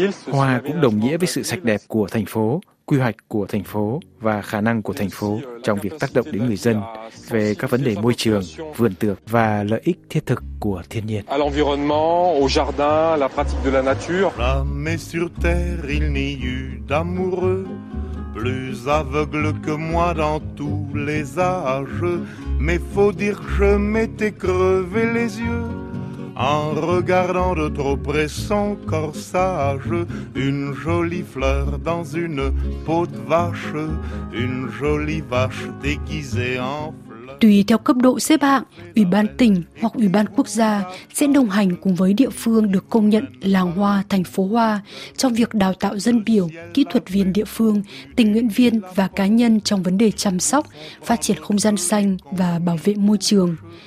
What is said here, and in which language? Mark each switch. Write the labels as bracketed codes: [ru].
[vi] Hoa cũng đồng nghĩa với sự sạch đẹp của thành phố, quy hoạch của thành phố và khả năng của thành phố trong việc tác động đến người dân về các vấn đề môi trường, vườn tược và lợi ích thiết thực của thiên nhiên. [fr] À l'environnement, au jardin, la pratique de la nature. Là, mais sur terre, il n'y eut d'amoureux plus aveugle que moi dans tous les âges. Mais faut dire que je m'étais crevé les yeux en regardant de trop près son corsage, une jolie fleur dans une peau de vache, une jolie vache déguisée en fleur. [vi] Tùy theo cấp độ xếp hạng, ủy ban tỉnh hoặc ủy ban quốc gia sẽ đồng hành cùng với địa phương được công nhận làng hoa, thành phố hoa trong việc đào tạo dân biểu, kỹ thuật viên địa phương, tình nguyện viên và cá nhân trong vấn đề chăm sóc, phát triển không gian xanh và bảo vệ môi trường.